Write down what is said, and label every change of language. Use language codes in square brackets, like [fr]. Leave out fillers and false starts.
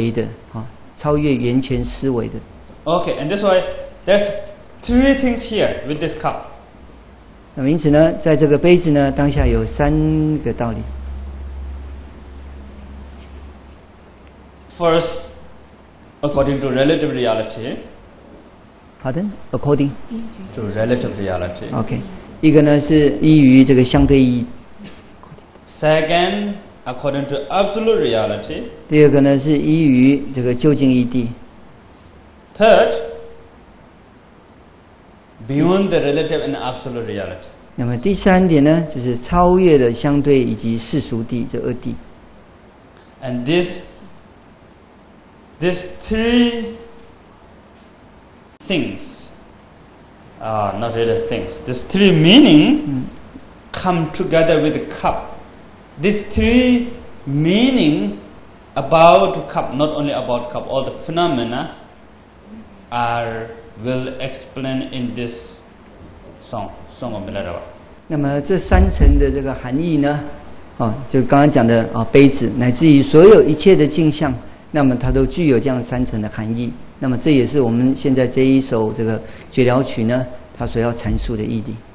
[zh] 那么因此呢它是超越言语思维的 [en] OK and that's why there's three things here with this cup [zh] 那么因此呢在这个杯子呢当下有三个道理 [en] FirstAccording to relative reality. Pardon? According to relative reality. [zh] Okay. 一个呢是依于这个相对义。 [en] Second, according to absolute reality. [zh] 第二个呢是依于这个究竟义谛。 [en] Third, beyond the relative and absolute reality. [zh] 那么第三点呢，就是超越了相对以及世俗谛这二谛。 [en] And these three things are not really things. These three meaning come together with the cup. These three meaning about cup, not only about cup, all the phenomena are will explain in this song of Milarepa. [zh] 那么这三层的这个含义呢？就刚刚讲的杯子，乃至于所有一切的镜像。那么它都具有这样三层的含义，那么这也是我们现在这一首这个绝了曲呢它所要阐述的意义。